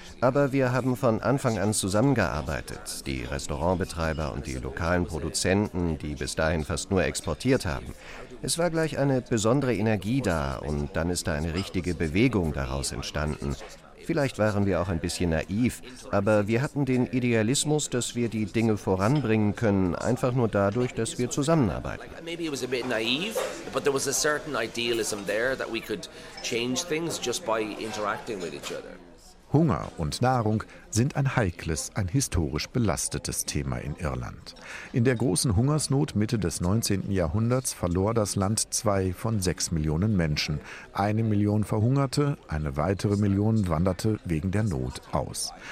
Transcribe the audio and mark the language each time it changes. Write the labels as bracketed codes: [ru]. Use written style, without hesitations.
[de] Aber wir haben von Anfang an zusammengearbeitet. Die Restaurantbetreiber und die lokalen Produzenten, die bis dahin fast nur exportiert haben. Es war gleich eine besondere Energie da und dann ist da eine richtige Bewegung daraus entstanden. Vielleicht waren wir auch ein bisschen naiv, aber wir hatten den Idealismus, dass wir die Dinge voranbringen können, einfach nur dadurch, dass wir zusammenarbeiten. [en] Maybe it was a bit naive, but there was a certain idealism there that we could change things just by interacting with each other. [de] Hunger und Nahrung sind ein heikles, ein historisch belastetes Thema in Irland. In der großen Hungersnot Mitte des 19. Jahrhunderts verlor das Land 2 von 6 Millionen Menschen. 1 Million verhungerte, eine weitere Million wanderte wegen der Not aus.